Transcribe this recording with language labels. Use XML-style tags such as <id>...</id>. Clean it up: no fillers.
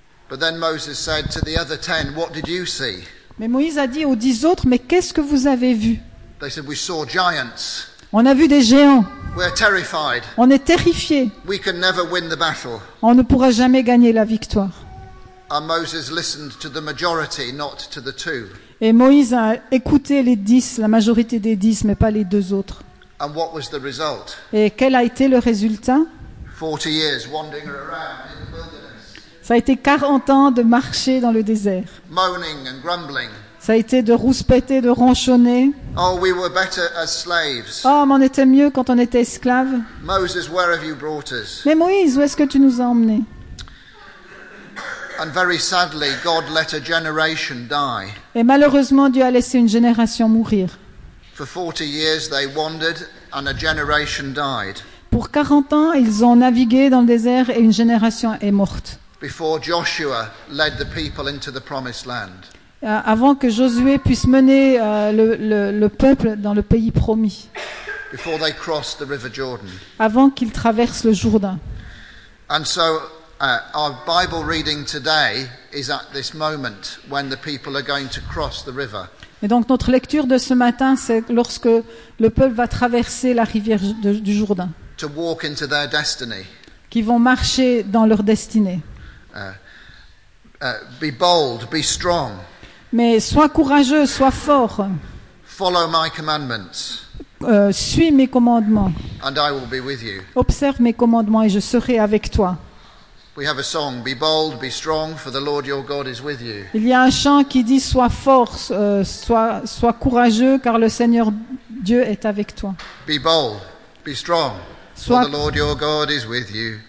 <en>But then Moses said to the other 10, "What did you see?"</en> <fr>Mais Moïse a dit aux 10 autres, mais qu'est-ce que vous avez vu?</fr> <en>They said, "We saw giants."</en> <fr>On a vu des géants.</fr> <en>We're terrified.</en> <fr>On est terrifiés.</fr> <en>We can never win the battle.</en> <fr>On ne pourra jamais gagner la victoire.</fr> <en>And Moses listened to the majority, not to the two.</en> <fr>Et Moïse a écouté les 10, la majorité des 10, mais pas les 2 autres.</fr> <en>And what was the result?</en> <fr>Et quel a été le résultat?</fr> <en>40 years wandering around in the wilderness.</en> <fr>Ça a été 40 ans de marcher dans le désert.</fr> <en>Moaning and grumbling.</en> <fr>Ça a été de rouspéter, de ronchonner.</fr> <en>Oh, we were better as slaves.</en> <fr>Oh, mais on était mieux quand on était esclaves.</fr> <en>Moses, where have you brought us?</en> <fr>Mais Moïse, où est-ce que tu nous as emmenés?</fr> <en>And very sadly, God let a generation die.</en> <fr>Et malheureusement, Dieu a laissé une génération mourir.</fr> <en>For 40 years, they wandered and a generation died.</en> <fr>Pour 40 ans, ils ont navigué dans le désert et une génération est morte.</fr> <en>Before Joshua led the people into the promised land.</en> <fr>Avant que Josué puisse mener le peuple dans le pays promis.</fr> <en>Before they crossed the River Jordan.</en> <fr>Avant qu'ils traversent le Jourdain.</fr> <en>And so, our Bible reading today is at this moment when the people are going to cross the river.</en> <fr>Et donc notre lecture de ce matin, c'est lorsque le peuple va traverser la rivière du Jourdain.</fr> <en>To walk into their destiny.</en> <fr>Qui vont marcher dans leur destinée.</fr> <en>Be bold, be strong.</en> <fr>Mais sois courageux, sois fort.</fr> <en>Follow my commandments.</en> <fr>Suis mes commandements.</fr> <en>And I will be with you.</en> <fr>Observe mes commandements et je serai avec toi.</fr> <en>We have a song, be bold, be strong, for the Lord your God is with you.</en> <fr>Il y a un chant qui dit sois fort, sois courageux car le Seigneur Dieu est avec toi.</fr> <en>Be bold, be strong, for the Lord your God is with you.</en>